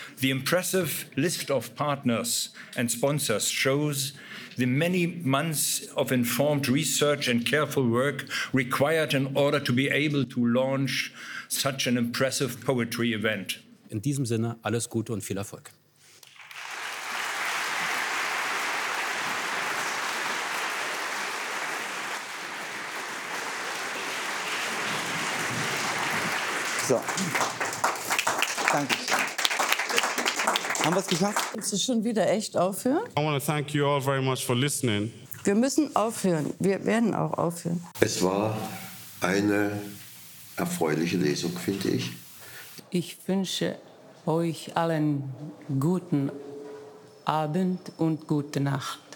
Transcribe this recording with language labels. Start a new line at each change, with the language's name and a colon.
English: The impressive list of partners and sponsors shows the many months of informed research and careful work required in order to be able to launch such an impressive poetry event.
German: In diesem Sinne, alles Gute und viel Erfolg. So. Danke. Haben wir es geschafft? Kannst du schon wieder echt aufhören?
English: I want to thank you all very much for listening.
German: Wir müssen aufhören. Wir werden auch aufhören. Es war eine erfreuliche Lesung, finde ich. Ich wünsche euch allen guten Abend und gute Nacht.